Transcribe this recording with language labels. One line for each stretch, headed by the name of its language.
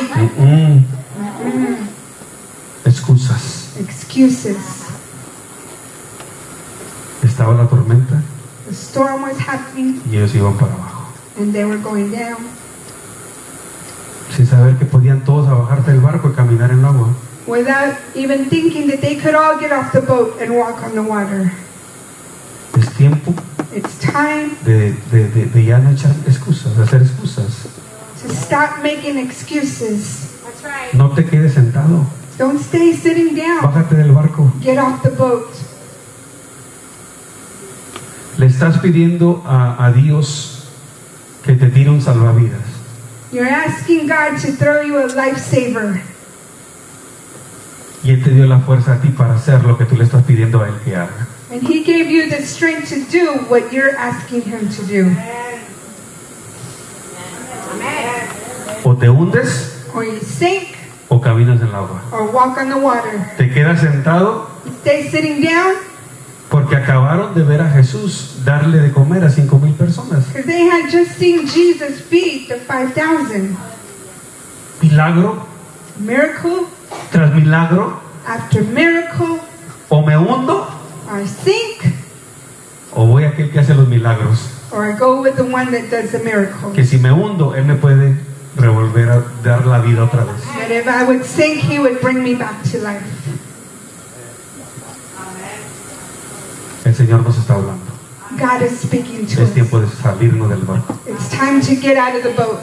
Spanish: Mm-mm. Excusas.
English: Excuses.
Spanish: Estaba la tormenta.
English: The storm was happening.
Spanish: Y ellos iban para abajo.
English: And they were going down.
Spanish: Sin saber que podían todos bajarse del barco y caminar en el agua.
English: Without even thinking that they could all get off the boat and walk on the water.
Spanish: Es tiempo.
English: It's time.
Spanish: De ya no echar excusas, de hacer excusas.
English: To stop making excuses. That's right.
Spanish: No te quedes sentado.
English: Don't stay sitting down.
Spanish: Bájate del barco.
English: Get off the boat.
Spanish: Le estás pidiendo a Dios que te tire un salvavidas.
English: You're asking God to throw you a lifesaver.
Spanish: Y Él te dio la fuerza a ti para hacer lo que tú le estás pidiendo a Él que haga.
English: And He gave you the strength to do what you're asking Him to do. Amen.
Spanish: O te hundes.
English: Or you sink.
Spanish: O caminas en el agua.
English: Or walk on the water.
Spanish: Te quedas sentado.
English: You stay sitting down.
Spanish: Porque acabaron de ver a Jesús darle de comer a 5,000 personas.
English: Because they had just seen Jesus feed the 5,000.
Spanish: Milagro.
English: Miracle.
Spanish: Tras milagro.
English: After miracle.
Spanish: O me hundo.
English: Or I sink.
Spanish: O voy a aquel que hace los milagros.
English: Or I go with the one that does the miracle.
Spanish: Que si me hundo, Él me puede revolver a dar la vida otra vez.
English: But if I would sink, He would bring me back to life.
Spanish: El Señor nos está hablando.
English: God is speaking to
Spanish: es tiempo de salirnos del barco.
English: It's time to get out of the boat.